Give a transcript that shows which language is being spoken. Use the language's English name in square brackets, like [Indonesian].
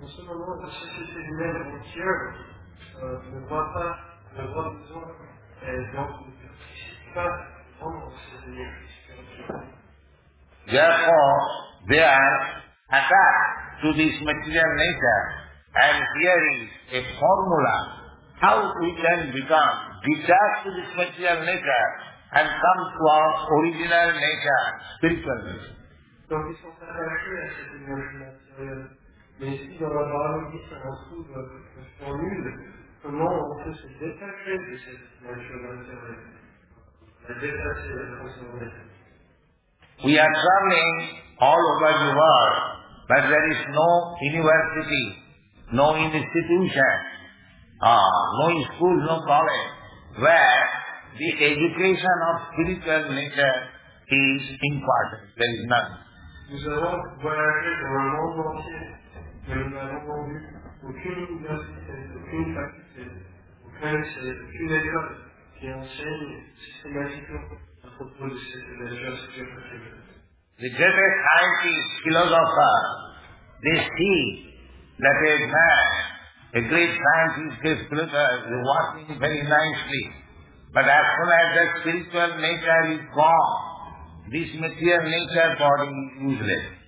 [English] Therefore, they are attacked to this material nature, and here is a formula how we can become detached to this material nature and come to our original nature, spiritual nature. [French] Donc ils sont attachés à cette énergie matérielle, mais ici dans la Bhagavad Gita, on trouve une formule comment on peut se détacher de cette énergie matérielle, la détacher, la transformer. [English] We are traveling all over the world. But there is no university, no institution, no school, no college, where the education of spiritual nature is imparted. There is none. [French] Nous avons voyagé dans le monde entier, mais nous n'avons vu aucune université, aucune faculté, aucune école qui enseigne systématiquement à propos de cette énergie spirituelle. [English] The greatest scientist, philosopher, they see that a man, a great scientist, great philosopher, is working very nicely. But as soon as the spiritual nature is gone, this material nature body is useless.